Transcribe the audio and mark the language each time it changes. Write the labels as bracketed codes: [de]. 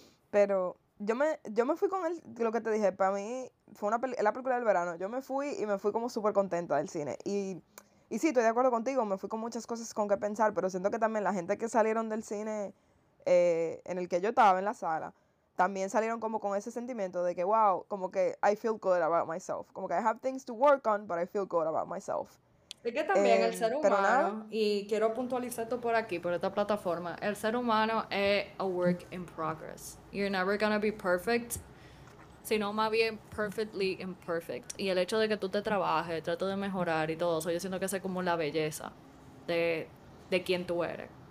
[es] Pero yo me fui con él, lo que te dije, para mí fue una la película del verano. Yo me fui y me fui como súper contenta del cine. Y sí, estoy de acuerdo contigo, me fui con muchas cosas con qué pensar, pero siento que también la gente que salieron del cine en el que yo estaba en la sala, también salieron como con ese sentimiento de que, wow, como que [en] I feel good about myself. [es] Como que [en] I have things to work on, but I feel good about myself. [es] Es que también el ser Pero nada. humano, y quiero puntualizar esto por aquí, por esta plataforma, el ser humano es [en] a work in progress. You're never gonna be perfect. [es] sino más bien [en] perfectly imperfect. [es] Y el hecho de que tú te trabajes, trates de mejorar y todo eso, yo siento que esa es como la belleza de quién tú eres.